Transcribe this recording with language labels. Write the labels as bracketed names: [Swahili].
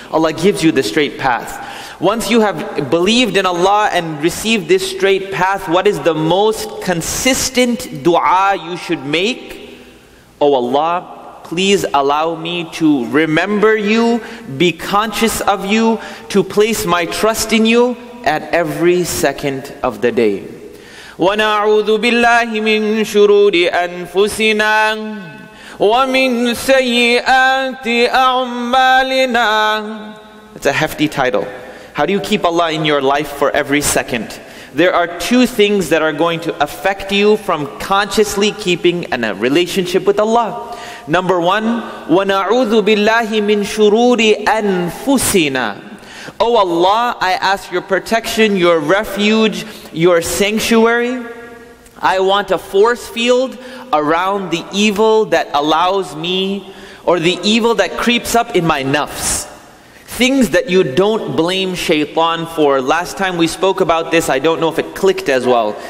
[English] Allah gives you the straight path. Once you have believed in Allah and received this straight path, what is the most consistent dua you should make? Oh Allah, please allow me to remember you, be conscious of you, to place my trust in you at every second of the day. [Arabic] ونعوذ بالله من شرور أنفسنا ومن سيئات أعمالنا. [English] It's a hefty title. How do you keep Allah in your life for every second? There are two things that are going to affect you from consciously keeping a relationship with Allah. Number one, [Arabic] ونعوذ بالله من شرور أنفسنا. [English] Oh Allah, I ask your protection, your refuge, your sanctuary. I want a force field around the evil that allows me, or the evil that creeps up in my nafs. Things that you don't blame shaitan for. Last time we spoke about this, I don't know if it clicked as well.